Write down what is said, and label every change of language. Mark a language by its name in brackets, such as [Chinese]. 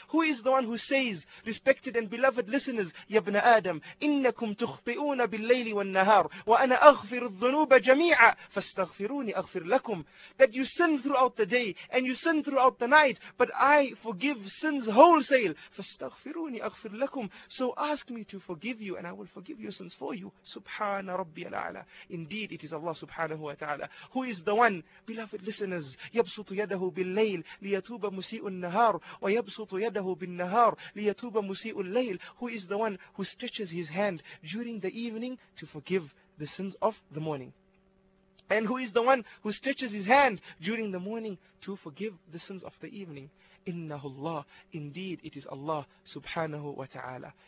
[English] Who is the one who says, respected and beloved listeners, [Arabic] Ya ibn Adam, إنكم تخطئون بالليل والنهار وأنا أغفر الذنوب جميعا فاستغفروني أغفر لكم. [English] That you sin throughout the day and you sin throughout the night, but I forgive sins wholesale. [Arabic] فاستغفروني أغفر لكم. [English] So ask me to forgive you and I will forgive your sins for you. [Arabic] Subhana Rabbi al-A'la. [English] Indeed, it is Allah subhanahu wa ta'ala. Who is the one, beloved listeners, [Arabic] يبسط يده بالليل ليتوب مسيء النهار ويبسط يده بالنهار ليتوب مسيء الليل. [English] Who is the one who stretches his hand during the evening to forgive the sins of the morning? And who is the one who stretches his hand during the morning to forgive the sins of the evening? [Arabic] إنه الله. [English] Indeed, it is Allah [Arabic] سبحانه وتعالى.